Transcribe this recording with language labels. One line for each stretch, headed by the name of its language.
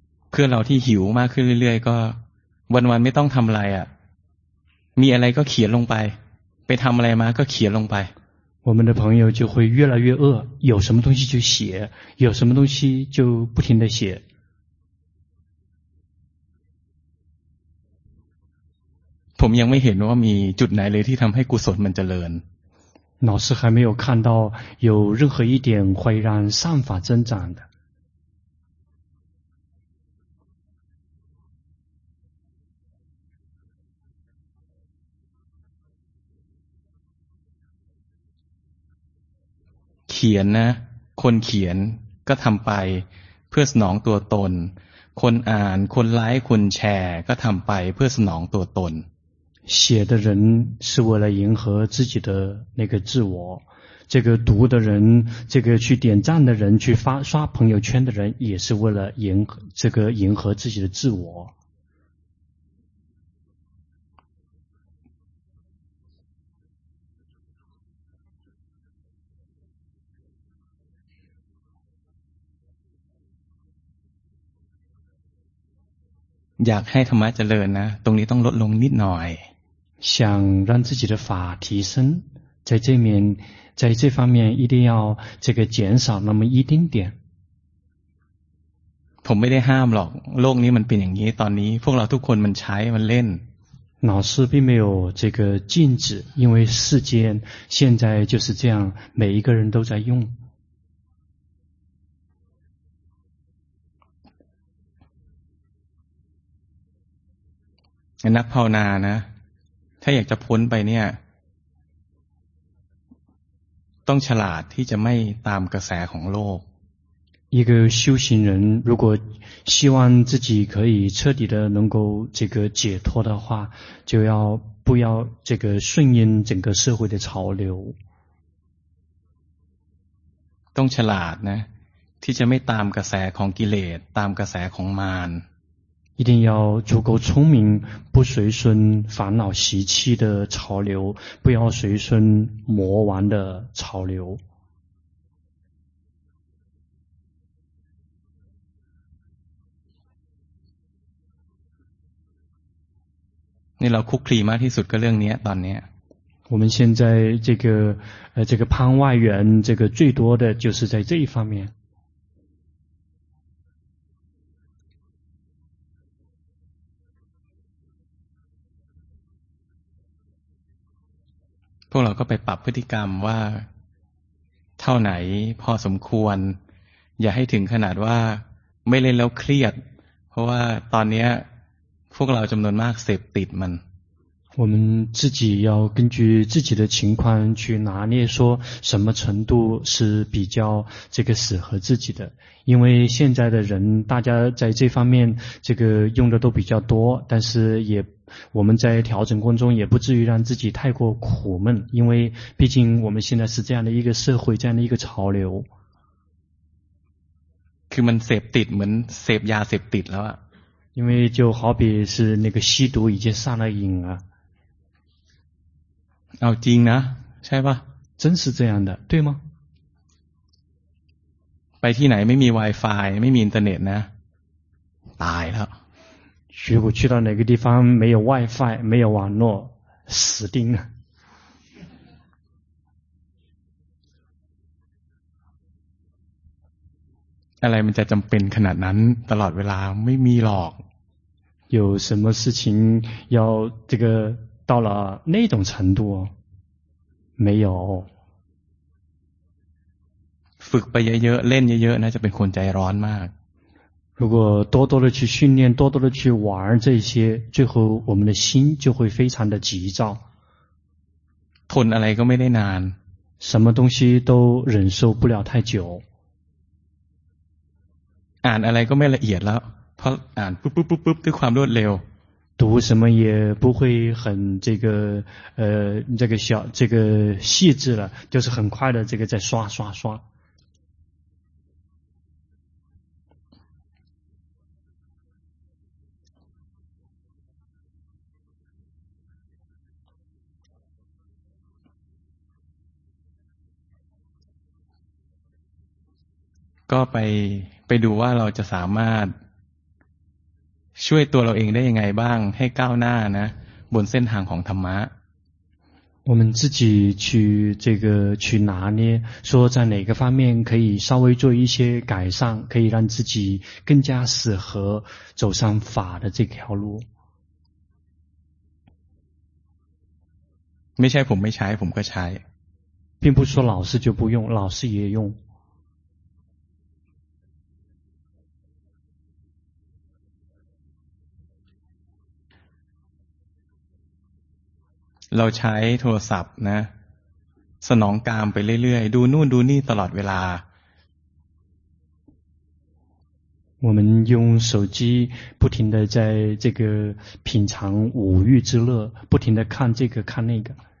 Thai: เพื่อนเราที่หิวมากขึ้นเรื่อยๆก็วันๆไม่ต้องทำอะไรอ่ะมีอะไรก็เขียนลงไปไปทำอะไรมาก็เขียนลงไป
Chinese: 我们的朋友就会越来越饿有什么东西就写有什么东西就不停的写
Thai: ผมยังไม่เห็นว่ามีจุดไหนเลยที่ทำให้กุศลมันเจริญ
Chinese: 老师还没有看到有任何一点会让善法增长的
Thai: เขียนนะคนเขียนก็ทำไปเพื่อสนองตัวตนคนอ่านคนไลค์คนแชร์ก็ทำไปเพื่อสนองตัวตน
Chinese: 写的人是为了迎合自己的那个自我这个读的人这个去点赞的人去发刷朋友圈的人也是为了迎合这个迎合自己的自我
Thai: อยากให้ธรรมะเจริญนะตรงนี้ต้องลดลงนิดหน่อย
Chinese: 想让自己的法提升在这面在这方面一定要这个减少那么一丁点
Thai: ผมไม่ได้ห้ามหรอกโลกนี้มันเป็นอย่างนี้ตอนนี้พวกเราทุกคนมันใช้มันเล่น
Chinese: 老师并没有这个禁止因为世间现在就是这样每一个人都在用
Thai: นักภาวนานะถ้าอยากจะพ้นไปเนี่ยต้องฉลาดที่จะไม่ตามกระแสของโลก
Chinese: 一个修行人如果希望自己可以彻底的能够这个解脱的话就要不要这个顺应整个社会的潮流
Thai: ต้องฉลาดนะที่จะไม่ตามกระแสของกิเลสตามกระแสของมาร
Chinese: 一定要足够聪明不随顺烦恼习气的潮流不要随顺魔王的潮流你老哭哭吗你说个人你要当年我们现在这个这个攀外缘这个最多的就是在这一方面
Thai: พวกเราก็ไปปรับพฤติกรรมว่าเท่าไหนพอสมควรอย่าให้ถึงขนาดว่าไม่เล่นแล้วเครียดเพราะว่าตอนนี้พวกเราจำนวนมากเสพติดมัน
Chinese: 我们自己要根据自己的情况去拿捏说什么程度是比较这个适合自己的因为现在的人大家在这方面这个用的都比较多但是也我们在调整过程中也不至于让自己太过苦闷因为毕竟我们现在是这样的一个社会这样的一个潮流
Thai: คือมันเสพติดเหมือนเสพยาเสพติดแล้วอ่ะ
Chinese: 因为就好比是那个吸毒已经上了瘾啊
Thai: เอาจริงนะใช่ป่ะ
Chinese: 真是这样的对吗
Thai: ไปที่ไหนไม่มี Wi-Fi ไม่มีอินเทอร์เน็ตนะตายแล้ว
Chinese: 如果去到哪个地方没有 WiFi 没有网络死定了
Thai: ะไรมันจะจำเป็นขนาดนั้นตลอดเวลาไม่มีหรอก
Chinese: 有什么事情要这个到了那种程度没有
Thai: ฝึกไปเยอะๆเล่นเยอะๆนะจะเป็นคนใจร้อนมาก
Chinese: 如果多多的去训练多多的去玩这些最后我们的心就会非常的急躁
Thai: ทนอะไรก็ไม่ได้นาน
Chinese: 什么东西都忍受不了太久
Thai: อ่านอะไรก็ไม่ละเอียดแล้วเพราะอ่านปุ๊บปุ๊บปุ๊บปุ๊บด้วยความรวดเร็ว
Chinese: 读什么也不会很这个这个小这个细致了就是很快的这个在刷刷刷
Thai: ก็ไปดูว่าเราจะสามารถช่วยตัวเราเองได้ยังไงบ้างให้ก้าวหน้านะบนเส้นทางของธรรมะ
Chinese: 我们自己去这个去拿捏说在哪个方面可以稍微做一些改善可以让自己更加适合走上法的这条路
Thai: ไม่ใช่ผมไม่ใช้ผมก็ใช้
Chinese: 并不说老师就不用老师也用
Thai: เราใช้โทรศัพท์นะสนองกามไปเรื่อยๆดูนู่นดูนี่ตลอดเวลา
Chinese: 我们用手机不停的在这个品尝五欲之乐不停的看这个看那个